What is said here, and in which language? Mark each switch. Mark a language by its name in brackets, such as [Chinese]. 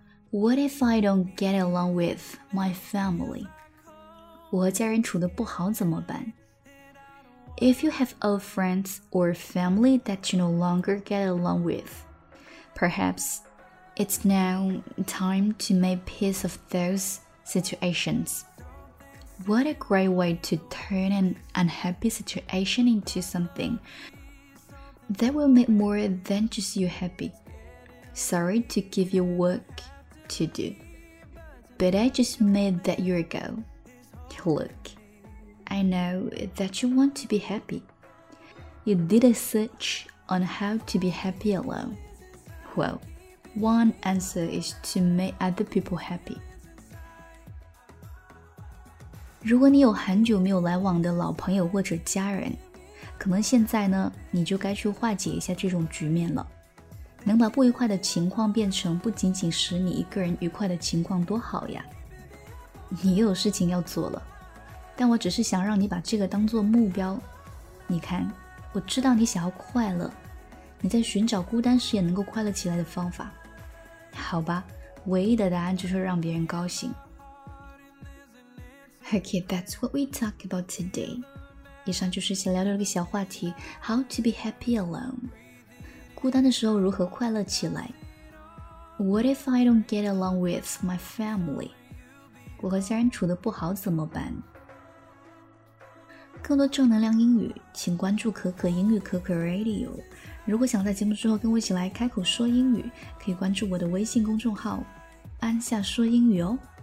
[English] What if I don't get along with my family？ [Chinese] 我和家人处得不好怎么办？ [English] If you have old friends or family that you no longer get along with, perhaps it's now time to make peace of those situations. What a great way to turn an unhappy situation into something that will make more than just you happy. Sorry to give you work to do, but I just made that your goal. Look. I know that you want to be happy. You did a search on how to be happy alone. Well, one answer is to make other people happy. [Chinese] 如果你有很久没有来往的老朋友或者家人，可能现在呢，你就该去化解一下这种局面了。能把不愉快的情况变成不仅仅使你一个人愉快的情况多好呀。你又有事情要做了。但我只是想让你把这个当作目标。你看，我知道你想要快乐，你在寻找孤单时也能够快乐起来的方法。好吧，唯一的答案就是让别人高兴。 [English] Okay, that's what we talk about today. [Chinese] 以上就是想聊的一个小话题 [English] How to be happy alone. [Chinese] 孤单的时候如何快乐起来。 [English] What if I don't get along with my family? [Chinese] 我和家人处得不好怎么办？更多正能量英语请关注可可英语可可 Radio， 如果想在节目之后跟我一起来开口说英语，可以关注我的微信公众号安夏说英语哦。